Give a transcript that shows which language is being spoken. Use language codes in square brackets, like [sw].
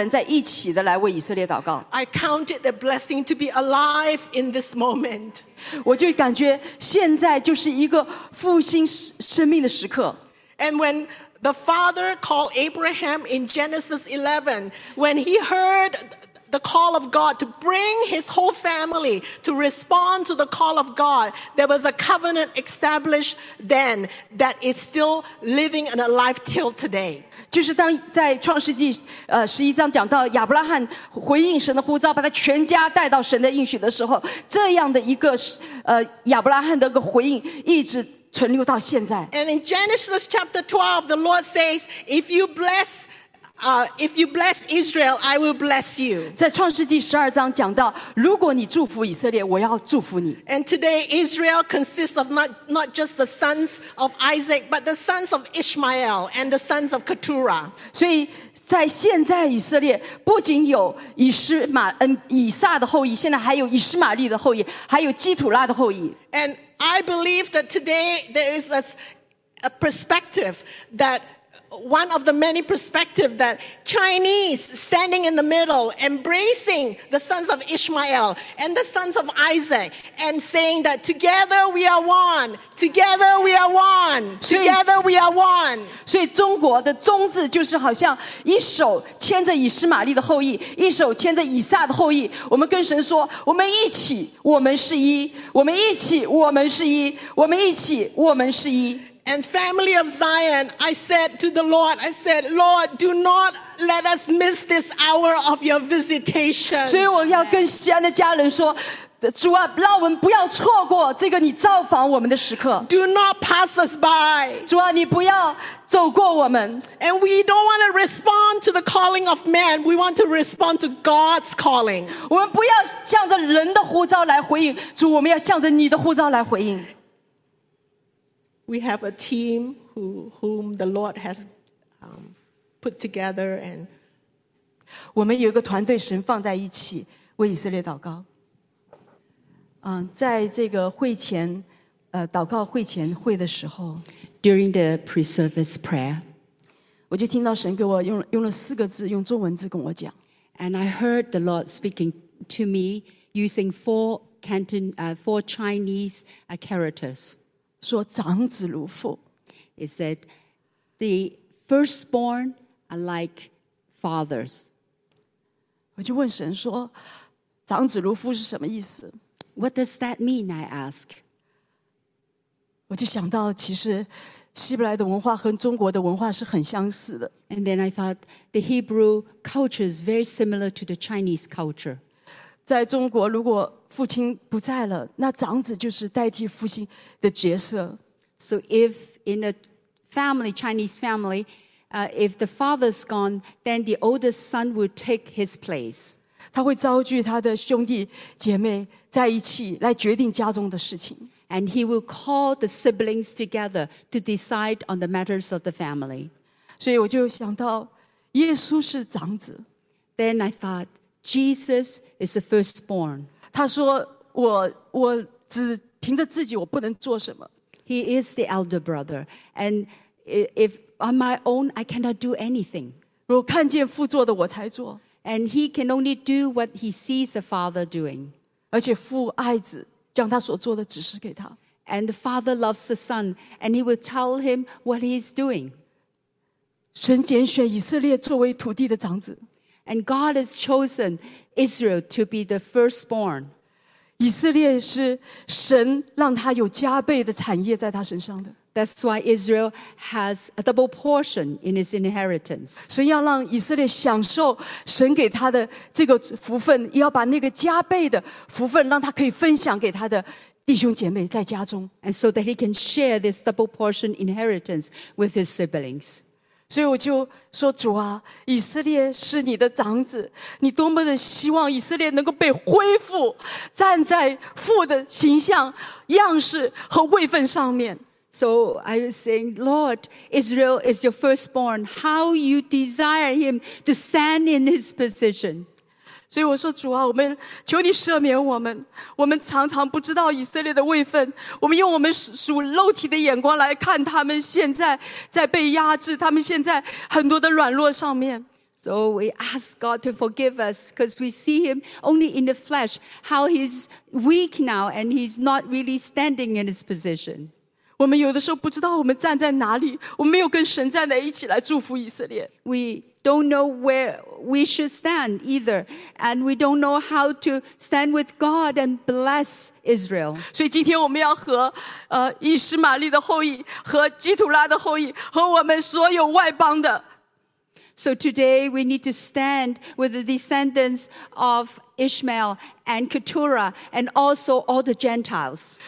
[zh] 所以现在这个时刻，我们已经有了这样的一个手机，智能手机，以至于我们能够在手机上观看和就是全球的家人在一起的来为以色列祷告。 [en] I count it a blessing to be alive in this moment. [zh] 我就感觉现在就是一个复兴生命的时刻。 [en] And when the father called Abraham in Genesis 11, when he heard the call of God to bring his whole family to respond to the call of God, there was a covenant established then that is still living and alive till today. [zh] 就是当在创世纪11章讲到亚伯拉罕回应神的呼召，把他全家带到神的应许的时候，这样的一个亚伯拉罕的一个回应一直存留到现在。 [en] And in Genesis chapter 12, the Lord says, if you bless If you bless Israel, I will bless you. [zh] 在创世纪十二章讲到，如果你祝福以色列，我要祝福你。 [en] And today Israel consists of not just the sons of Isaac, but the sons of Ishmael and the sons of Keturah. [zh] 所以在现在以色列不仅有以实玛恩以撒的后裔，现在还有以实玛利的后裔，还有基土拉的后裔。 [en] And I believe that today there is a perspective that. One of the many perspectives that Chinese standing in the middle, embracing the sons of Ishmael and the sons of Isaac, and saying that together we are one, together we are one, together we are one. [zh] 所以中国的宗字就是好像一手牵着以实玛利的后裔，一手牵着以撒的后裔。我们跟神说，我们一起，我们是一。我们一起，我们是一。我们一起，我们是一。 [en] And family of Zion, I said to the Lord, I said, Lord, do not let us miss this hour of your visitation. [zh] 所以我要跟西安的家人说，主啊，让我们不要错过这个你造访我们的时刻。 [en] Do not pass us by. [zh] 主啊，你不要走过我们。 [en] And we don't want to respond to the calling of man. We want to respond to God's calling. [zh] 我们不要向着人的呼召来回应，主，我们要向着你的呼召来回应。 [en] We have a team whom the Lord has put together, and [zh] 我们有一个团队，神放在一起为以色列祷告。在这个会前，祷告会前会的时候 [en] ，during the pre-service prayer， [zh] 我就听到神给我用了四个字，用中文字跟我讲。 [en] And I heard the Lord speaking to me using four Chinese characters. [zh] 说长子如父 [en] He said, the firstborn are like fathers. [zh] 我就问神说，长子如父是什么意思？ [en] What does that mean, I ask? [zh] 我就想到其实希伯来的文化和中国的文化是很相似的。 [en] And then I thought, the Hebrew culture is very similar to the Chinese culture. [zh] 在中国如果父亲不在了，那长子就是代替父亲的角色。 [en] So if in a family, Chinese family, if the father's gone, then the oldest son would take his place. [zh] 他会召聚他的兄弟姐妹在一起来决定家中的事情。 [en] And he will call the siblings together to decide on the matters of the family. [zh] 所以我就想到耶稣是长子。 [en] Then I thought, Jesus is the firstborn. [zh] 他说我只凭着自己我不能做什么。 [en] He is the elder brother. And if on my own, I cannot do anything. [zh] 如果看见父做的我才做。 [en] And he can only do what he sees the father doing. [zh] 而且父爱子将他所做的指示给他。 [en] And the father loves the son, and he will tell him what he is doing. [zh] 神拣选以色列作为土地的长子。 [en] And God has chosen Israel to be the firstborn. [zh] 以色列是神让他有加倍的产业在他身上的。 [en] That's why Israel has a double portion in his inheritance. [zh] 神要让以色列享受神给他的这个福分，也要把那个加倍的福分让他可以分享给他的弟兄姐妹在家中。 [en] And so that he can share this double portion inheritance with his siblings. [zh] 所以我就说主啊以色列是你的长子你多么的希望以色列能够被恢复站在父的形象样式和位分上面 [en] So I was saying Lord Israel is your firstborn How you desire him to stand in his position [zh] 所以我说主啊我们求你赦免我们我们常常不知道以色列的位分我们用我们属肉体的眼光来看他们现在在被压制他们现在很多的软弱上面 [en] So we ask God to forgive us because we see him only in the flesh how he's weak now and he's not really standing in his position [zh] 我们有的时候不知道我们站在哪里我们没有跟神站在一起来祝福以色列 [en] We don't know where we should stand either and we don't know how to stand with God and bless Israel [zh] 所以今天我们要和以实玛利的后裔和基土拉的后裔和我们所有外邦的 [en] So today we need to stand with the descendants of Ishmael and Keturah and also all the Gentiles.